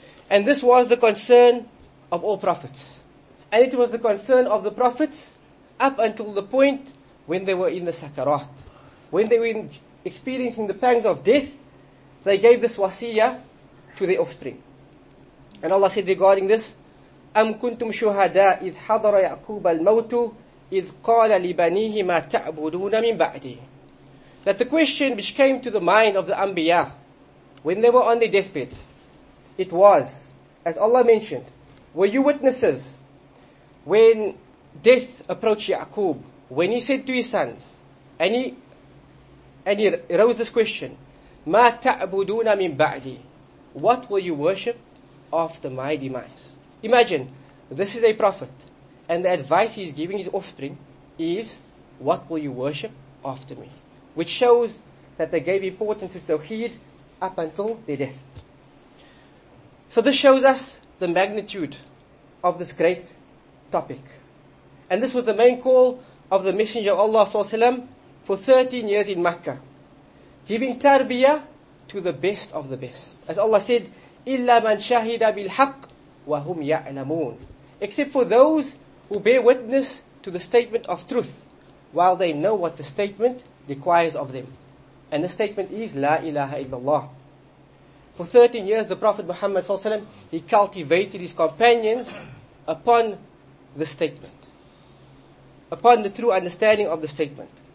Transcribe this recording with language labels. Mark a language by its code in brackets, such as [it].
[en] And this was the concern of all prophets. And it was the concern of the prophets up until the point when they were in the sakarat. When they were experiencing the pangs of death, they gave this wasiyah to their offspring. [ar] And Allah said regarding this, أَمْ كُنْتُمْ شُهَدَىٰ إِذْ حَضَرَ يَعْقُوبَ الْمَوْتُ إِذْ قَالَ لِبَنِيهِ مَا تَعْبُدُونَ مِنْ بَعْدِهِ. [en] That the question which came to the mind of the Anbiya when they were on their deathbeds, it was, as Allah mentioned, were you witnesses when death approached Ya'qub, when he said to his sons, and he raised this question, مَا تَعْبُدُونَ مِنْ بَعْدِي. What will you worship after my demise? Imagine, this is a prophet, and the advice he is giving his offspring is, what will you worship after me? Which shows that they gave importance to Tawheed up until their death. So this shows us the magnitude of this great topic. And this was the main call of the Messenger of Allah Sallallahu Alaihi Wasallam for 13 years in Mecca, giving tarbiyah to the best of the best. [ar] As Allah said, إِلَّا مَنْ شَهِدَ بِالْحَقِّ وَهُمْ يَعْلَمُونَ. [en] Except for those who bear witness to the statement of truth, while they know what the statement requires of them. And the statement is, La ilaha illallah. For 13 years, the Prophet Muhammad Sallallahu Alaihi Wasallam, he cultivated his companions upon the statement, upon the true understanding of the statement.